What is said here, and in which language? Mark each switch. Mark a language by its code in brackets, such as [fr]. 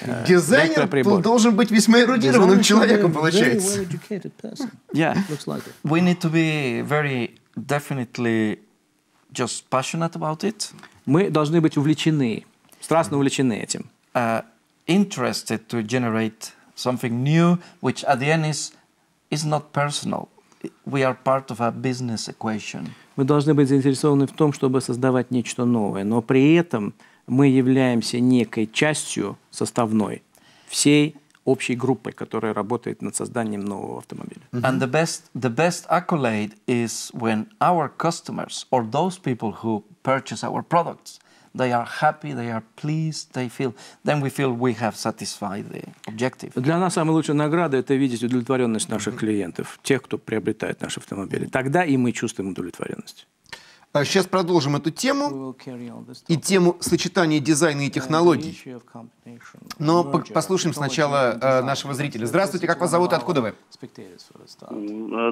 [ru] Дизайнер должен быть весьма эрудированным человеком, получается. [en] Yeah. Like we need to be very definitely just passionate about it. [ru] Мы должны быть увлечены, страстно увлечены этим. [en] Interested to generate something new, which at the end is not personal. We are part of a business equation. [ru] Мы должны быть заинтересованы в том, чтобы создавать нечто новое, но при этом мы являемся некой частью составной всей общей группы, которая работает над созданием нового автомобиля. Mm-hmm. [en] And the best accolade is when our customers or those people who purchase our products, they are happy, they are pleased, they feel, then we feel we have satisfied the objective. [ru] Для нас самая лучшая награда – это видеть удовлетворенность наших клиентов, тех, кто приобретает наши автомобили. Тогда и мы чувствуем удовлетворенность. Сейчас продолжим эту тему и тему сочетания дизайна и технологий. Но послушаем сначала нашего зрителя. Здравствуйте, как вас зовут и откуда вы?